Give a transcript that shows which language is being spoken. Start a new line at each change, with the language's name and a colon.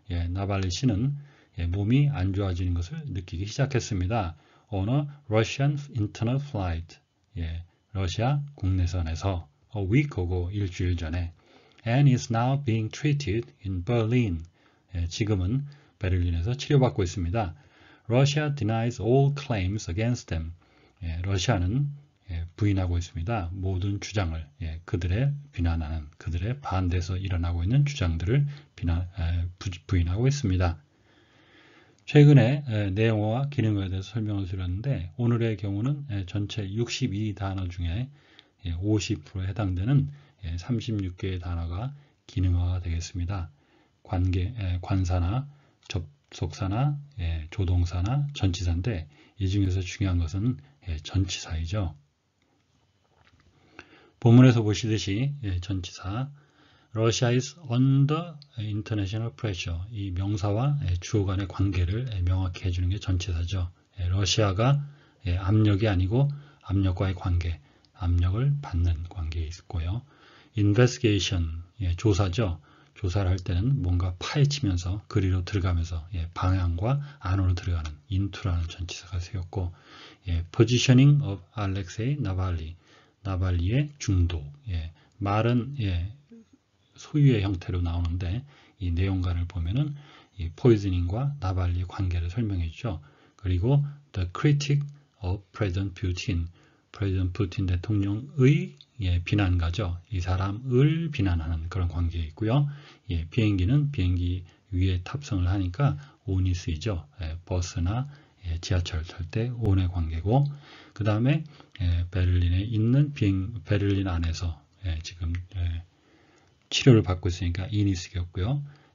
Korean: 나발리 씨는 몸이 안 좋아지는 것을 느끼기 시작했습니다.
English: On a Russian internal flight.
Korean: 러시아 국내선에서.
English: A week ago,
Korean: 일주일 전에.
English: And is now being treated in Berlin.
Korean: 지금은 베를린에서 치료받고 있습니다.
English: Russia denies all claims against them.
Korean: 러시아는 부인하고 있습니다. 모든 주장을, 그들의 비난하는, 그들의 반대에서 일어나고 있는 주장들을 부인하고 있습니다. 최근에 내용과 기능에 대해서 설명을 드렸는데, 오늘의 경우는 전체 62단어 중에 50%에 해당되는 36개의 단어가 기능어가 되겠습니다. 관사나 접속사나 조동사나 전치사인데, 이 중에서 중요한 것은 전치사이죠. 본문에서 보시듯이 전치사,
English: Russia is under international pressure.
Korean: 이 명사와 주어 간의 관계를 명확히 해주는 게 전치사죠. 러시아가 압력이 아니고 압력과의 관계, 압력을 받는 관계에 있고요. Investigation, 조사죠. 조사를 할 때는 뭔가 파헤치면서 그리로 들어가면서 방향과 안으로 들어가는 into라는 전치사가 쓰였고,
English: positioning of Alexei Navalny.
Korean: 나발리의 중독. 말은 소유의 형태로 나오는데 이 내용관을 보면은 이 포이즈닝과 나발리의 관계를 설명했죠.
English: 그리고 The Critic of President Putin.
Korean: President Putin 대통령의 비난가죠. 이 사람을 비난하는 그런 관계에 있고요. 비행기는 비행기 위에 탑승을 하니까 on이 쓰이죠. 버스나 지하철 탈때 on의 관계고, 그 다음에 베를린에 있는 베를린 안에서 지금 치료를 받고 있으니까 in이 쓰였고요.